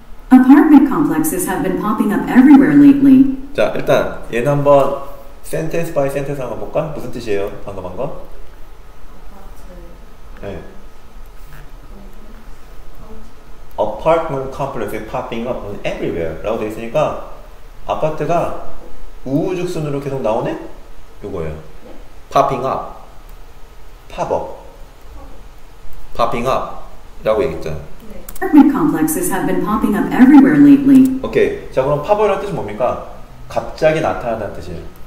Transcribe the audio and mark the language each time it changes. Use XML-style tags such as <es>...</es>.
<en>Apartment complexes have been popping up everywhere lately.</en> <ko>자, 일단 얘는 한번</ko> <en>sentence by sentence</en> <ko>한번 볼까? 무슨 뜻이에요? 방금 한 거? 네.</ko> <en>Apartment complex is popping up everywhere</en> <ko>라고 되어 있으니까 아파트가 우후죽순으로 계속 나오네? 요거예요.</ko> <en>Popping up. Pop up. Popping up</en> <ko>라고 얘기했죠.</ko> <en>Apartment complexes have been popping up everywhere lately.</en> <ko>오케이. 자, 그럼 pop up이라는 뜻이 뭡니까? 갑자기 나타난다는 뜻이에요.</ko>